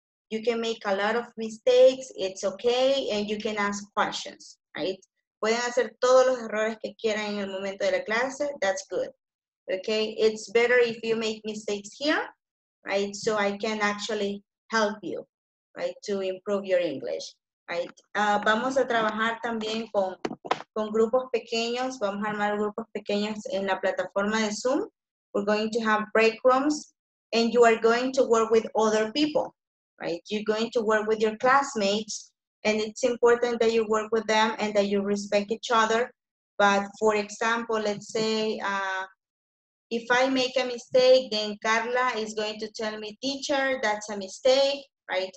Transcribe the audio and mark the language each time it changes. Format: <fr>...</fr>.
<en>You can make a lot of mistakes, it's okay, and you can ask questions, right?</en> <es>Pueden hacer todos los errores que quieran en el momento de la clase,</es> <en>that's good, okay? It's better if you make mistakes here, right? So I can actually help you, right, to improve your English, right?</en> <es>Vamos a trabajar también con grupos pequeños, vamos a armar grupos pequeños en la plataforma de Zoom.</es> <en>We're going to have break rooms and you are going to work with other people, right? You're going to work with your classmates and it's important that you work with them and that you respect each other. But for example, let's say if I make a mistake, then Carla is going to tell me, teacher, that's a mistake, right?</en>